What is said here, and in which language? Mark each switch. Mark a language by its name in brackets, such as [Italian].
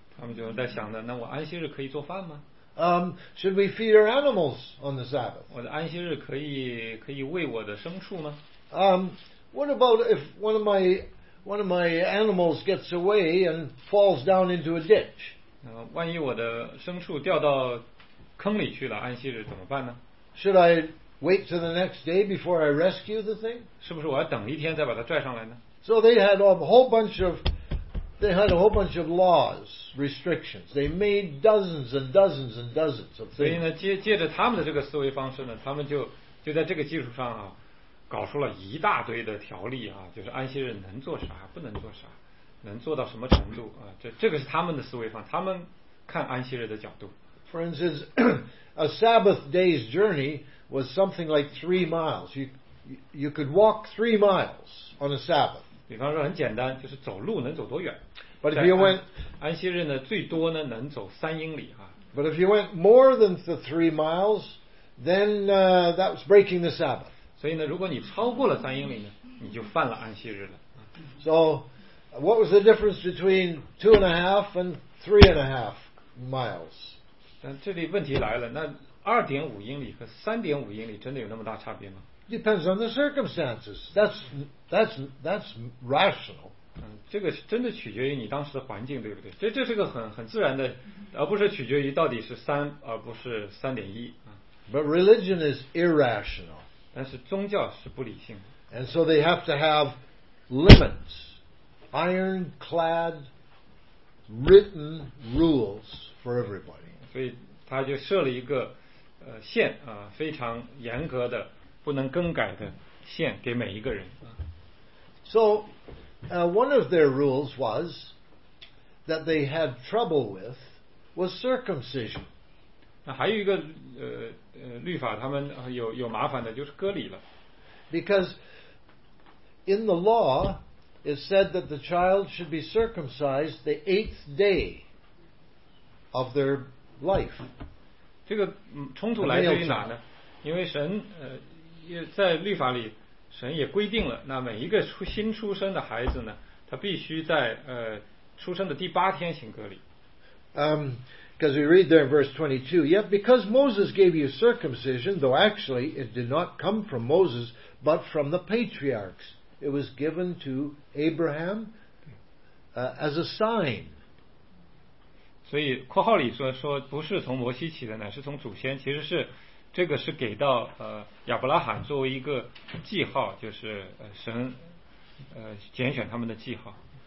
[Chinese] 他们就在想着，那我安息日可以做饭吗？ [English] Should we feed our animals on the Sabbath? [Chinese] 我的安息日可以喂我的牲畜吗？ [English] What about if one of my animals gets away and falls down into a ditch? [Chinese] 万一我的牲畜掉到坑里去了，安息日怎么办呢？ [English] Should I? Wait till the next day before I rescue the thing? [Chinese] 是不是我要等一天再把它拽上来呢？ [English] So they had a whole bunch of, they had a whole bunch of laws, restrictions. They made dozens and dozens and dozens of things. [Chinese] 所以呢，借着他们的这个思维方式呢，他们就在这个基础上啊，搞出了一大堆的条例啊，就是安息日能做啥，不能做啥，能做到什么程度啊？这个是他们的思维方，他们看安息日的角度。 [English] For instance, a Sabbath day's journey. Was something like 3 miles. You could walk 3 miles on a Sabbath. [Chinese] 比方说很简单，就是走路能走多远。 [English] But if you went [Chinese] 安息日呢，最多呢能走3英里啊。 [English] But if you went more than the 3 miles, then that was breaking the Sabbath. [Chinese] 所以呢，如果你超过了3英里呢，你就犯了安息日了。 [English] So what was the difference between 2.5 and 3.5 miles? [Chinese] 但这里问题来了，那。 2.5英里和3.5英里真的有那么大差别吗？ [English] Depends on the circumstances. That's rational. [Chinese] 这个真的取决于你当时的环境，对不对？这是个很自然的，而不是取决于到底是三而不是3.1。 [English] But religion is irrational. [Chinese] 但是宗教是不理性的。 [English] And so they have to have limits, ironclad, written rules for everybody. [Chinese] 所以他就设了一个。线啊，非常严格的，不能更改的线给每一个人。 [English] So, one of their rules was that they had trouble with was circumcision. [Chinese] 那还有一个律法，他们有麻烦的就是割礼了。 [English] Because in the law, it said that the child should be circumcised the 8th day of their life. [Chinese] 这个冲突来自于哪呢？因为神在律法里，神也规定了，那每一个新出生的孩子呢，他必须在出生的第八天行割礼。 [English] Because we read there in verse 22, yet because Moses gave you circumcision, though actually it did not come from Moses, but from the patriarchs, it was given to Abraham, as a sign. [Chinese] 所以括号里说不是从摩西起的，乃是从祖先，其实是这个是给到亚伯拉罕作为一个记号，就是神拣选他们的记号。